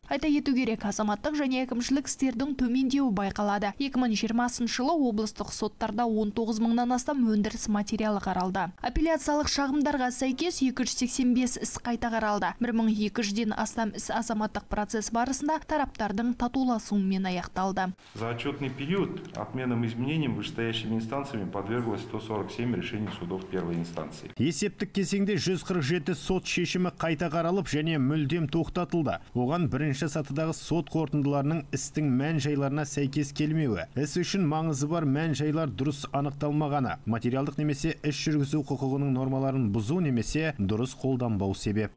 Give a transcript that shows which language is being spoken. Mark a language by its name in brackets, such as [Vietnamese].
[Kazakh] Айта кету керек, азаматтық және әкімшілік істердің төмендеуі байқалады. 2020 жылы облыстық соттарда 19,000-нан астам өндіріс материалы қаралды. Апелляциялық шағымдарға сәйкес 285 іс қайта қаралды. 1200-ден астам іс азаматтық процесс барысында тараптардың татуласуымен аяқталды. [Russian] За отчетный период отменам изменениям вышестоящими инстанциями подверглось 147 решений судов первой инстанции. [Kazakh] Есептік кесеңде 147 сот шешімі қайта қаралып және мүлдем тоқтатылды. Оған бірінші сатыдағы сот қорытындыларының істің мән-жайларына сәйкес келмеуі, іс үшін маңызы бар мән-жайлар дұрыс анықталмағаны, материалдық немесе іс жүргізу құқығының нормаларын бұзу немесе дұрыс қолданбау себеп.